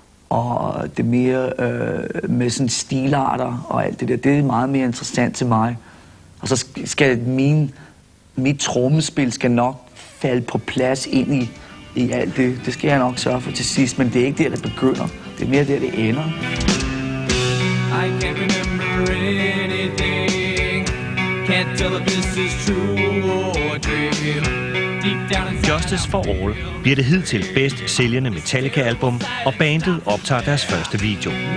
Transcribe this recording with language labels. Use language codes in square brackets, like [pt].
[da] Og det er mere med sådan stilarter og alt det der. Det er meget mere interessant til mig. Og så skal mit trommespil skal nok falde på plads ind i alt det. Det skal jeg nok sørge for til sidst, men det er ikke der, det begynder. Det er mere der, det ender. [en] I can't remember anything. [da] Justice for All bliver det hidtil bedst sælgende Metallica-album, og bandet optager deres første video.